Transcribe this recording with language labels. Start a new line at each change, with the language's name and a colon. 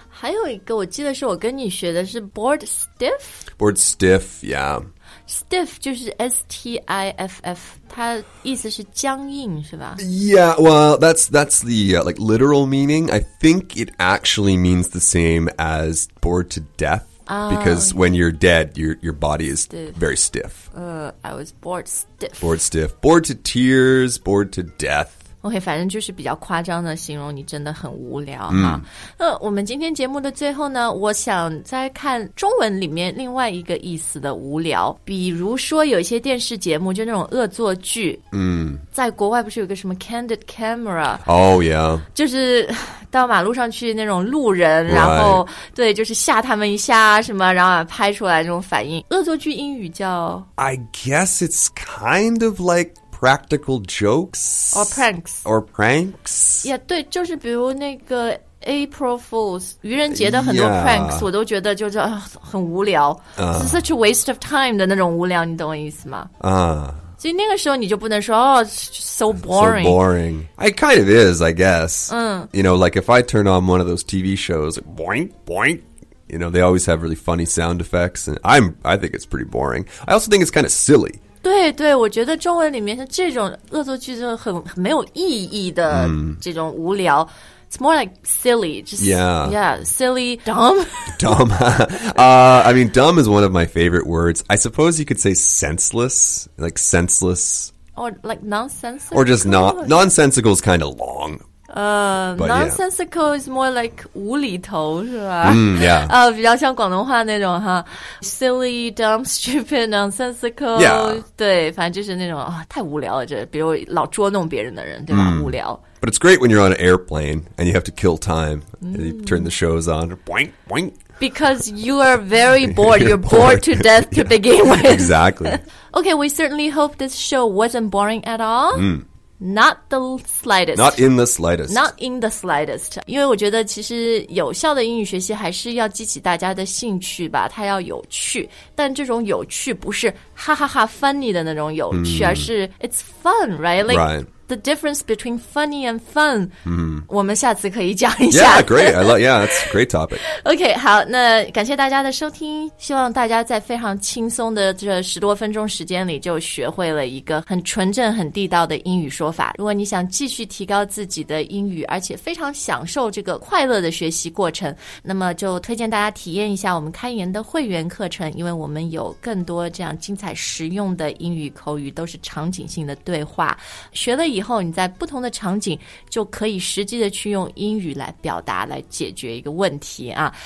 Chinese: 还有一个我记得是我跟你学的是
English: bored stiff. Bored stiff, yeah.
Chinese: Stiff 就是 S-T-I-F-F, 它意思是僵硬是吧
English: Yeah, well, that's the like literal meaning. I think it actually means the same as bored to death. Because when you're dead, your body is stiff. Very stiff. I was bored stiff. Bored stiff. Bored to tears, bored to death.
Chinese: OK, 反正就是比较夸张的形容你真的很无聊啊。那我们今天节目的最后呢我想再看中文里面另外一个意思的无聊。比如说有一些电视节目就那种恶作剧。在国外不是有个什么 candid camera?
English: Oh, yeah.
Chinese: 就是到马路上去那种路人、
English: right.
Chinese: 然后对就是吓他们一下什么然后拍出来那种反应。恶作剧英语叫
English: I guess it's kind of like,Practical jokes? Or pranks. Or pranks?
Chinese: Yeah, 对就是比如那个 April Fools, 愚人节的很多 pranks,、
English: yeah.
Chinese: 我都觉得就是、很无聊。
English: It's such a waste of time
Chinese: 的那种无聊,你懂我意思吗? 所以那个时候你就不能说
English: so boring. So boring. It kind of is, I guess. You know, like if I turn on one of those TV shows, boink, boink, you know, they always have really funny sound effects. And I think it's pretty boring. I also think it's kind of silly.
Chinese: 对对我觉得中文里面这种恶作剧就很没有意义的这种无聊、
English: It's more like silly, just, yeah, silly, dumb. Dumb. I mean, dumb is one of my favorite words. I suppose you could say senseless. Or like nonsensical. Or just nonsensical is kind of long. Nonsensical、yeah. is more like
Chinese: 无厘头是吧、
English: yeah.
Chinese: 比较像广东话那种哈
English: Silly, dumb, stupid, nonsensical、 yeah.
Chinese: 对反正就是那种、太无聊了这比如老捉弄别人的人对吧、无聊
English: But it's great when you're on an airplane and you have to kill time、and you turn the shows on boink, boink. Because you are very bored You're bored to death to、yeah. begin with Exactly Okay, we certainly hope this show wasn't boring at all、Not the slightest. Not in the slightest. Not in the slightest.
Chinese: 因为我觉得其实有效的英语学习还是要激起大家的兴趣吧，它要有趣。但这种有趣不是哈哈哈 funny 的那种有趣，而是
English: it's fun, right? Like, right. The difference between funny and fun. 我们下次可以讲一下。 Yeah, great. I love, yeah, that's a great topic.
Chinese: Okay, 好，那感谢大家的收听，希望大家在非常轻松的这十多分钟时间里就学会了一个很纯正、很地道的英语说法。如果你想继续提高自己的英语，而且非常享受这个快乐的学习过程，那么就推荐大家体验一下我们开言的会员课程，因为我们有更多这样精彩实用的英语口语，都是场景性的对话，学了以后你在不同的场景就可以实际的去用英语来表达来解决一个问题啊！